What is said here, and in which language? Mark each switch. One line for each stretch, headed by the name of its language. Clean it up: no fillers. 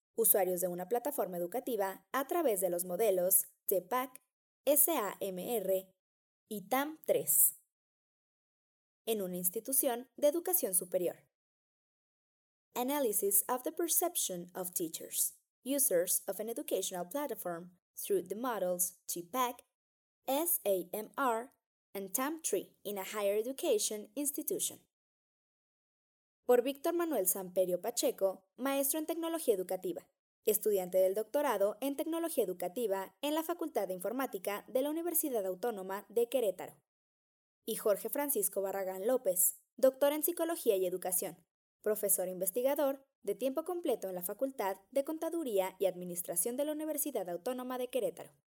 Spanish: Usuarios de una plataforma educativa a través de los modelos CPAC, SAMR y TAM3. En una institución de educación superior.
English: Analysis of the perception of teachers, users of an educational platform through the models TPAC, SAMR, and TAM3 in a higher education institution.
Spanish: Por Víctor Manuel Samperio Pacheco, maestro en tecnología educativa, estudiante del doctorado en tecnología educativa en la Facultad de Informática de la Universidad Autónoma de Querétaro. Y Jorge Francisco Barragán López, doctor en psicología y educación, profesor investigador de tiempo completo en la Facultad de Contaduría y Administración de la Universidad Autónoma de Querétaro.